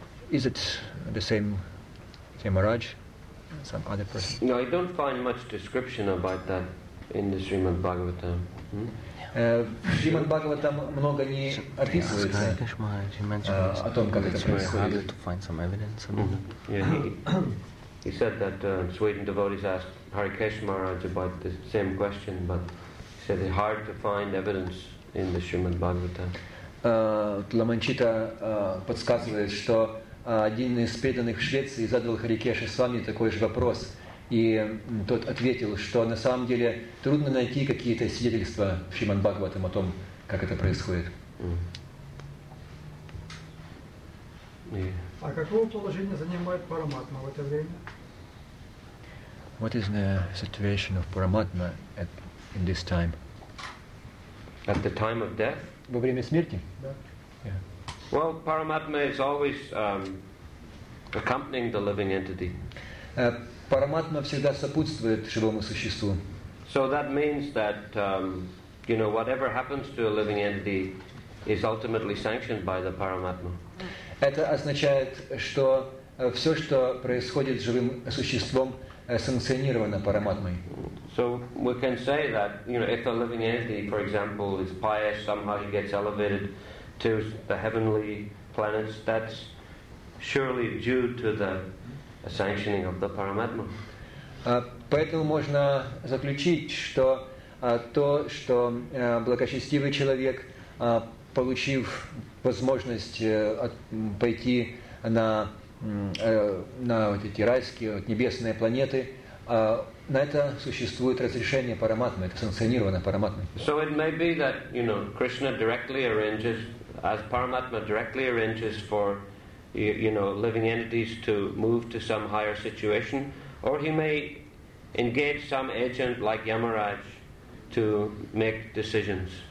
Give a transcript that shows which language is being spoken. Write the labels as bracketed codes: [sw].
[en] Is it the same Yamaraj, some other person? No, I don't find much description about that in the Srimad Bhagavatam. Hmm? Yeah. [ru] Srimad Bhagavatam много не описывается о том, как это происходит. [en] To find some evidence. Mm-hmm. Yeah, he said that Sweden devotees asked Harikesh Maharaj about the same question, but he said it's hard to find evidence in the Srimad Bhagavatam. [ru] Ламанчита подсказывает, что один из преданных в Швеции задал Харикеше с вами такой же вопрос, И тот ответил, что на самом деле трудно найти какие-то свидетельства Шримад-Бхагаватам о том, как это происходит. А какого положения занимает Параматма в это время? [en] What is the situation of Paramatma at, in this time? At the time of death? [ru] Во время смерти? [en] Yeah. Well, Paramatma is always accompanying the living entity. [ru] Параматма всегда сопутствует живому существу. [en] So that means that you know, whatever happens to a living entity is ultimately sanctioned by the Paramatma. [ru] Это означает, что все, что происходит с живым существом, санкционировано Параматмой. [en] So we can say that, you know, if a living entity, for example, is pious, somehow he gets elevated to the heavenly planets, that's surely due to the sanctioning of the Paramatma. [ru] Поэтому можно заключить, что то, что благочестивый человек, получив возможность пойти на вот эти райские, вот небесные планеты, на это существует разрешение Параматмы, это санкционировано Параматмой. [en] So it may be that, you know, Krishna directly arranges, as Paramatma directly arranges for, you know, living entities to move to some higher situation, or he may engage some agent like Yamaraj to make decisions.